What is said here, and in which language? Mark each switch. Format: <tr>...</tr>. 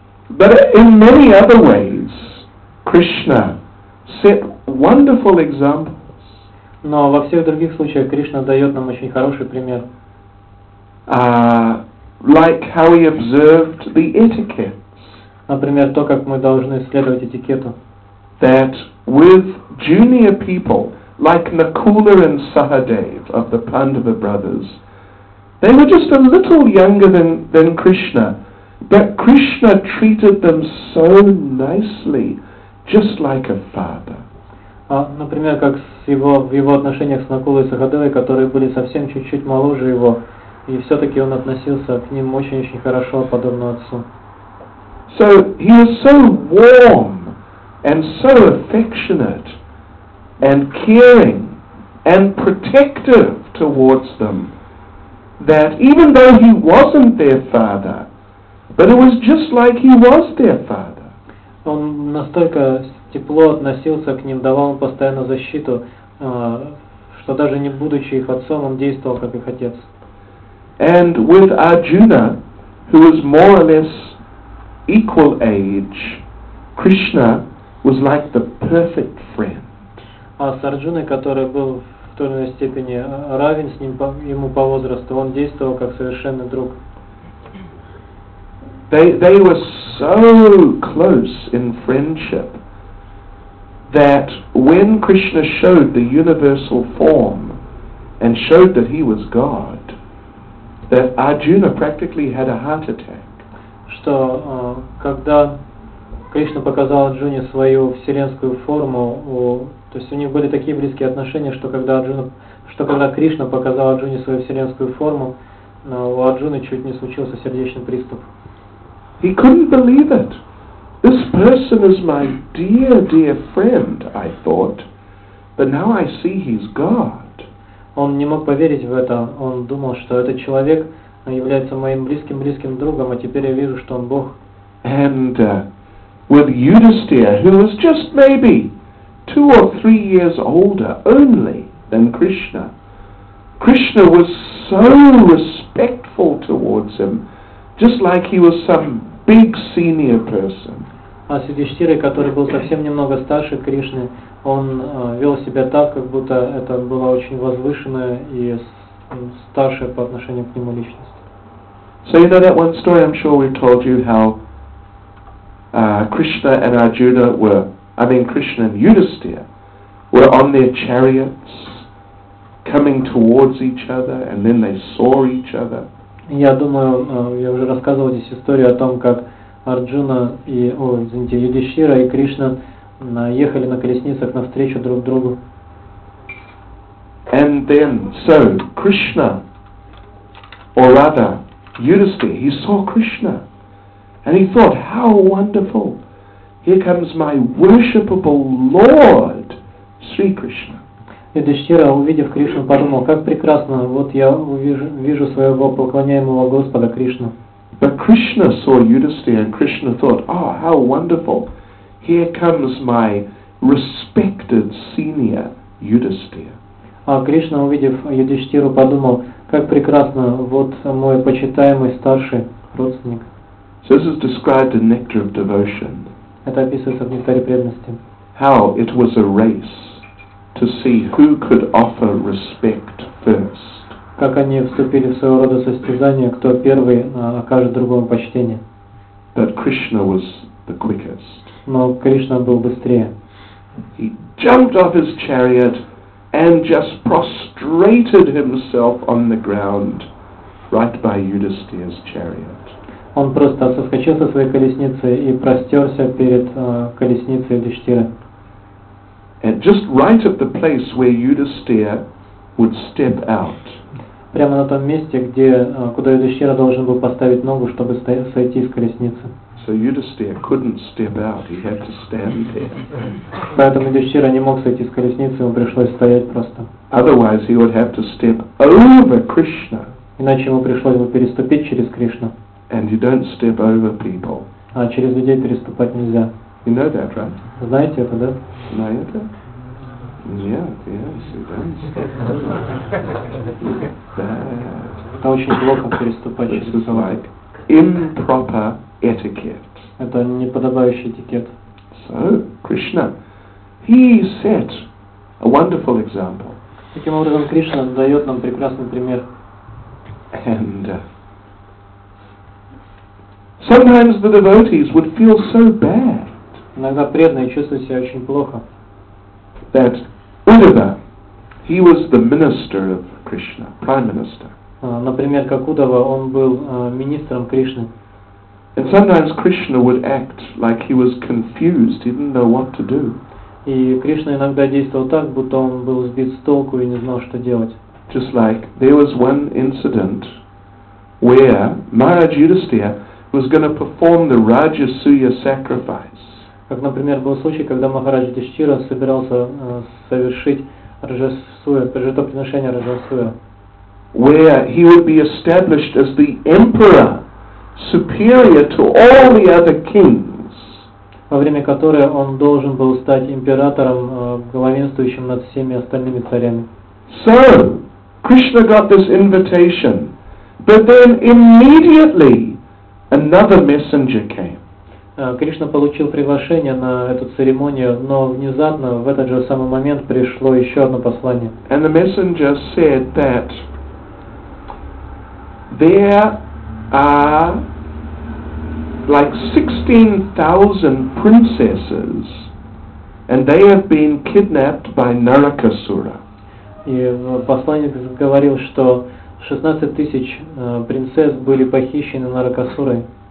<en>But in many other ways, Krishna set wonderful examples.</en> <ru>Но во всех других случаях Кришна дает нам очень хороший пример.</ru> <en>Like how he observed the etiquettes.</en> <ru>Например, то, как мы должны следовать этикету.</ru> <en>That with junior people, like Nakula and Sahadev of the Pandava brothers, they were just a little younger than Krishna, but Krishna treated them so nicely, just like a father.</en> <ru>Например, как с его, в его отношениях с Накулой и Сахадевой, которые были совсем чуть-чуть моложе его, и все-таки он относился к ним очень-очень хорошо, подобно отцу.</ru> <en>So he was so warm and so affectionate and caring and protective towards them that even though he wasn't their father, but it was just like he was their father.</en> <ru>Он настолько тепло относился к ним, давал им постоянно защиту, что даже не будучи их отцом, он действовал как их отец.</ru> <en>And with Arjuna, who was more or less equal age, Krishna was like the perfect friend.</en> <ru>А с Арджуной, который был в той или иной степени равен с ним, ему по возрасту, он действовал как совершенный друг.</ru> <en>They were so close in friendship that when Krishna showed the universal form and showed that he was God, that Arjuna practically had a heart attack.</en> <ru>Что когда Кришна показал Арджуне свою вселенскую форму, то есть у них были такие близкие отношения, что когда Арджуна, что когда Кришна показал Арджуне свою вселенскую форму, у Арджуны чуть не случился сердечный приступ.</ru> <en>He couldn't believe it. This person is my dear, dear friend, I thought, but now I see he's God.</en> <ru>Он не мог поверить в это. Он думал, что этот человек является моим близким, близким другом, а теперь я вижу, что он Бог.</ru> <en>And with Yudhisthira, who was just maybe 2 or 3 years older only than Krishna, Krishna was so respectful towards him, just like he was some big senior person.</en> <ru>А с Юдхиштхирой, который был совсем немного старше Кришны, он вел себя так, как будто это была очень возвышенная и старшая по отношению к нему личность.</ru> <en>So you know that one story, I'm sure we've told you how Krishna and Arjuna were, I mean Krishna and Yudhisthira were on their chariots coming towards each other and then they saw each other.</en> <ru>Я думаю, я уже рассказывал здесь историю о том, как Арджуна и, извините, Юдхиштхира и Кришна ехали на колесницах навстречу друг другу.</ru> <en>And then, so Krishna, or rather, Yudhisthira, he saw Krishna, and he thought, how wonderful! Here comes my worshipable Lord, Sri Krishna.</en> <ru>Юдиштхира, увидев Кришну, подумал, как прекрасно, вот я вижу своего поклоняемого Господа Кришну.</ru> <en>But Krishna saw Yudhisthira and Krishna thought, oh, how wonderful, here comes my respected senior Yudhisthira.</en> <ru>А Кришна, увидев Юдиштхиру, подумал, как прекрасно, вот мой почитаемый старший родственник.</ru> <en>So this is described in Nectar of Devotion.</en> <ru>Это описывается в Нектаре преданности.</ru> <en>How it was a race to see who could offer respect first.</en> <ru>Как они вступили в своего рода состязание, кто первый окажет другому почтение.</ru> <en>But Krishna was the quickest.</en> <ru>Но Кришна был быстрее.</ru> <en>He jumped off his chariot and just prostrated himself on the ground right by Yudhisthira's chariot.</en> <ru>Он просто соскочил со своей колесницы и простерся перед колесницей Юдхиштхиры.</ru> <en>And just right at the place where Yudhisthira would step out.</en> <ru>Прямо на том месте, где куда Юдхиштхира должен был поставить ногу, чтобы сойти с колесницы.</ru> <en>So Yudhisthira couldn't step out, he had to stand there.</en> <ru>Поэтому Юдхиштхира не мог сойти с колесницы, ему пришлось стоять просто.</ru> <en>Otherwise he would have to step over Krishna.</en> <ru>Иначе ему пришлось бы переступить через Кришну.</ru> <en>And you don't step over people.</en> <ru>А через людей переступать нельзя.</ru> <en>You know that, right?</en> <ru>Знаете это, да? Знаете? Нет,</ru> <en>yes, you don't step over.</en> <ru>Это очень плохо переступать</ru> <en>This</en> <ru>через людей.</ru> <en>Like improper etiquette.</en> <ru>Это неподобающий этикет.</ru> <en>So, Krishna, he set a wonderful example.</en> <ru>Таким образом, Кришна дает нам прекрасный пример.</ru> <en>And sometimes the devotees would feel so bad.</en> <ru>Иногда преданные чувствуют себя очень плохо.</ru> <en>That Uddhava, he was the minister of Krishna, prime minister.</en> <ru>Например, как Уддхава, он был министром Кришны.</ru> <en>And sometimes Krishna would act like he was confused, he didn't know what to do.</en> <ru>И Кришна иногда действовал так, будто он был сбит с толку и не знал, что делать.</ru> <en>Just like there was one incident where Maharaj Yudhisthira was going to perform the Rajasuya sacrifice.</en> <ru>Как, например, был случай, когда Махарадж Юдхиштхира собирался совершить Раджасуя, жертвоприношение Раджасуя.</ru> <en>Where he would be established as the emperor, superior to all the other kings.</en> <ru>Во время которой он должен был стать императором, главенствующим над всеми остальными царями.</ru> <en>So, Krishna got this invitation, but then immediately another messenger came.</en> <ru>Кришна получил приглашение на эту церемонию, но внезапно в этот же самый момент пришло еще одно послание.</ru> <en>And the messenger said that there are like 16,000 princesses, and they have been kidnapped by Narakasura.</en> <ru>И посланник говорил, что 16 тысяч принцесс были похищены Наракасурой.</ru>